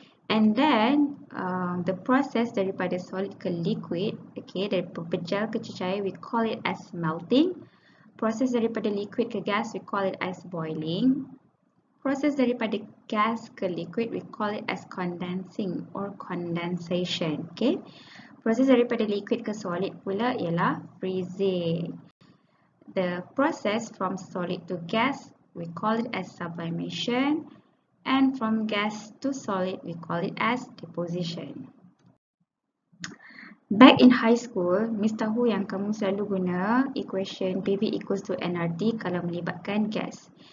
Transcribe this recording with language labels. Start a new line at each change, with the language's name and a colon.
English: And then the process daripada solid ke liquid, okay,
Malay: dari pepejal ke cecair,
English: we call it as melting. Process daripada liquid ke gas, we call it as boiling. Process daripada gas ke liquid, we call it as condensing or condensation, okay?
Malay: Proses daripada liquid ke solid pula ialah freezing.
English: The process from solid to gas, we call it as sublimation. And from gas to solid, we call it as deposition. Back in high school,
Malay: Miss Tahu yang kamu selalu guna equation PV equals to nRT kalau melibatkan gas.